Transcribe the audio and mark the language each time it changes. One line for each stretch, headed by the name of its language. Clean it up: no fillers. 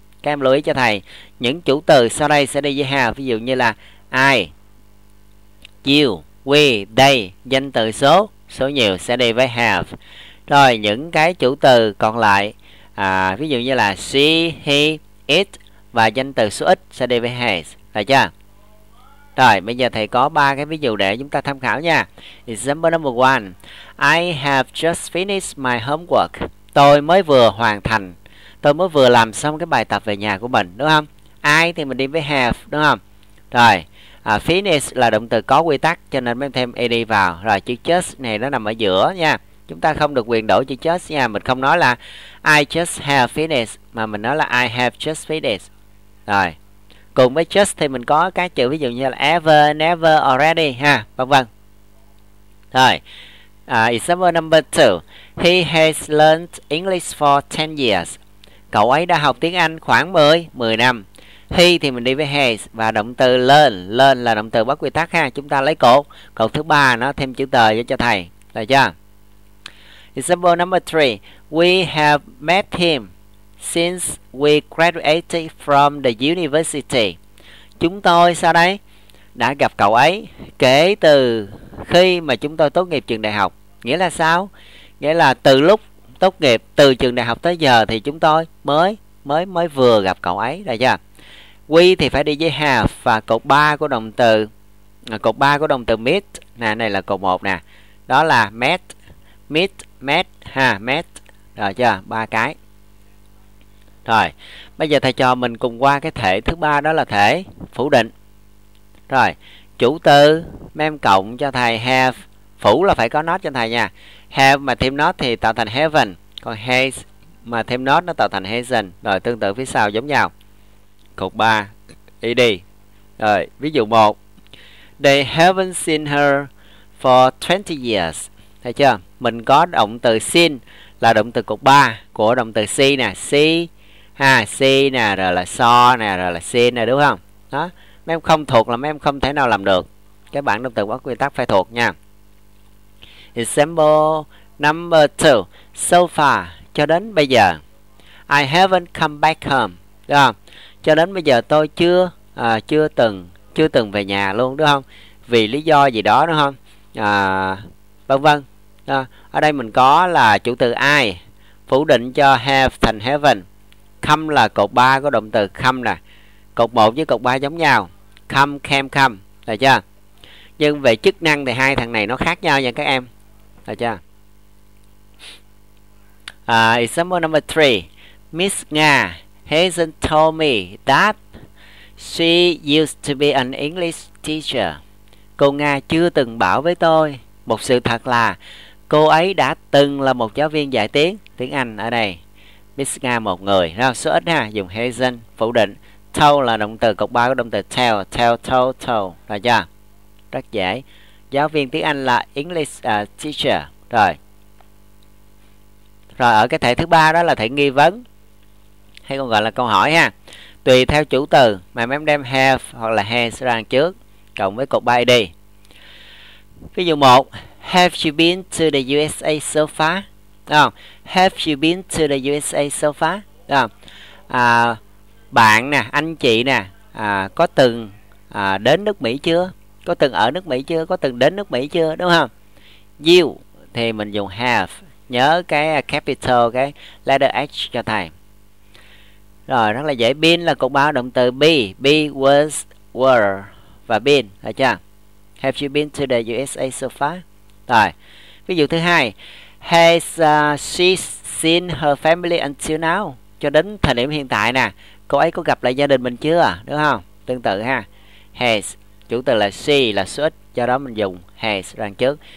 Vietnamese: Các em lưu ý cho thầy những chủ từ sau đây sẽ đi với have, ví dụ như là I, you, we, they, danh từ số, số nhiều sẽ đi với have. Rồi những cái chủ từ còn lại, ví dụ như là she, he, it và danh từ số ít sẽ đi với has. Được chưa? Rồi bây giờ thầy có 3 cái ví dụ để chúng ta tham khảo nha.
English: Example number 1. I have just finished my homework.
Vietnamese: Tôi mới vừa làm xong cái bài tập về nhà của mình, đúng không? I thì mình đi với have, đúng không? Rồi, finish là động từ có quy tắc cho nên mới thêm ed vào. Rồi chữ just này nó nằm ở giữa nha. Chúng ta không được quyền đổi chữ just nha, mình không nói là
English: I just have finished
Vietnamese: mà mình nói là
English: I have just finished.
Vietnamese: Rồi. Cùng với just thì mình có các chữ ví dụ như là ever, never, already ha, vân vân. Rồi.
English: Example number 2. He has learned English for 10 years.
Vietnamese: Cậu ấy đã học tiếng Anh khoảng 10 năm. He thì mình đi với has và động từ learn. Learn là động từ bất quy tắc ha. Chúng ta lấy cột. Cột thứ ba nó thêm chữ tờ cho thầy. Được chưa?
English: Example number 3. We have met him since we graduated from the university.
Vietnamese: Chúng tôi sau đây đã gặp cậu ấy kể từ khi mà chúng tôi tốt nghiệp trường đại học. Nghĩa là sao? Nghĩa là từ lúc tốt nghiệp từ trường đại học tới giờ thì chúng tôi mới mới mới vừa gặp cậu ấy. Được chưa? We thì phải đi với have và cột 3 của động từ, meet nè, này là cột 1 nè. Đó là met, meet, met ha, met. Rồi chưa? Ba cái. Rồi, bây giờ thầy cho mình cùng qua cái thể thứ ba, đó là thể phủ định. Rồi, chủ từ mem cộng cho thầy have, phủ là phải có not cho thầy nha. Have mà thêm not thì tạo thành heaven, còn has mà thêm not nó tạo thành hasn. Rồi tương tự phía sau giống nhau. Cột 3 ED. Rồi, ví dụ 1.
English: They haven't seen her for 20 years.
Vietnamese: Thấy chưa? Mình có động từ seen là động từ cột 3 của động từ see nè, see ha, see nè, rồi là saw nè, rồi là seen nè, đúng không? Đó, mấy em không thuộc là mấy em không thể nào làm được. Cái bảng động từ bất quy tắc phải thuộc nha.
English: Example number 2. So far,
Vietnamese: cho đến bây giờ.
English: I haven't come back home.
Vietnamese: Được không? Cho đến bây giờ tôi chưa chưa từng về nhà luôn, đúng không? Vì lý do gì đó, đúng không? Vân vân. Ở đây mình có là chủ từ I phủ định cho have thành haven. Come là cột 3 của động từ come nè. Cột 1 với cột 3 giống nhau. Come, came, come. Được chưa? Nhưng về chức năng thì hai thằng này nó khác nhau nha các em. Được chưa?
English: Example number 3. Miss Nga hasn't told me that she used to be an English teacher.
Vietnamese: cô Nga chưa từng bảo với tôi một sự thật là cô ấy đã từng là một giáo viên dạy tiếng tiếng Anh ở đây. Miss Nga một người, rồi số ít ha, dùng hasn't phủ định. Told là động từ cột ba của động từ tell, tell, told, told, rồi chưa? Rất dễ. Giáo viên tiếng Anh là English teacher, rồi. Rồi ở cái thể thứ ba đó là thể nghi vấn, hay còn gọi là câu hỏi ha. Tùy theo chủ từ mà em đem have hoặc là has ra trước, cộng với cột ba đi. Ví dụ 1,
English: have you been to the USA so far? Have you been to the USA so far?
Vietnamese: Bạn nè, anh chị nè, có từng đến nước Mỹ chưa? Có từng ở nước Mỹ chưa? Có từng đến nước Mỹ chưa? Đúng không? You thì mình dùng have. Nhớ cái capital, cái letter H cho thầy. Rồi, rất là dễ. Been là cột ba động từ be. Be, was, were và been. Rồi chưa?
English: Have you been to the USA so far?
Vietnamese: Rồi, ví dụ thứ hai.
English: Has she seen her family until now?
Vietnamese: Cho đến thời điểm hiện tại nè, cô ấy có gặp lại gia đình mình chưa? Đúng không? Tương tự ha. Has, chủ từ là she, là số ít, cho đó mình dùng has đằng trước.